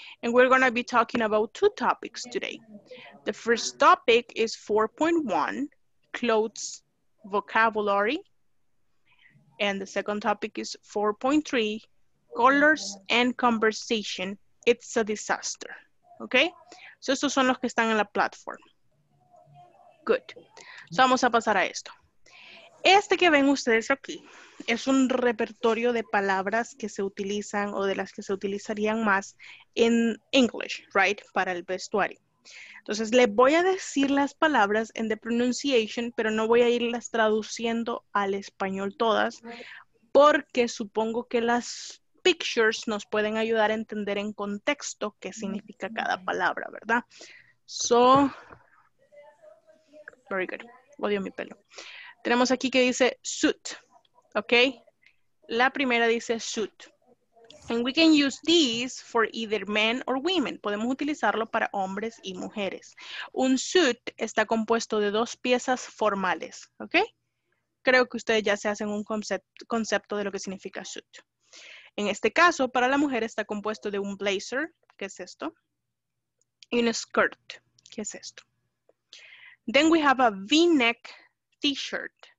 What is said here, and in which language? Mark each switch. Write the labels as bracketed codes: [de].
[en] And we're going to be talking about two topics today. The first topic is 4.1, clothes vocabulary. And the second topic is 4.3, colors and conversation, it's a disaster. Okay? [es] So, estos son los que están en la platform. Good. So, vamos a pasar a esto. Este que ven ustedes aquí es un repertorio de palabras que se utilizan o de las que se utilizarían más en English, right? Para el vestuario. Entonces, les voy a decir las palabras en the pronunciation, pero no voy a irlas traduciendo al español todas, porque supongo que las pictures nos pueden ayudar a entender en contexto qué significa cada palabra, ¿verdad? [en] So, very good. [es] Odio mi pelo. Tenemos aquí que dice suit, ¿ok? La primera dice suit. [en] And we can use these for either men or women. [es] Podemos utilizarlo para hombres y mujeres. Un suit está compuesto de dos piezas formales, ¿ok? Creo que ustedes ya se hacen un concepto de lo que significa suit. En este caso, para la mujer está compuesto de un blazer, que es esto, y un skirt, que es esto. [en] Then we have a V-neck t-shirt.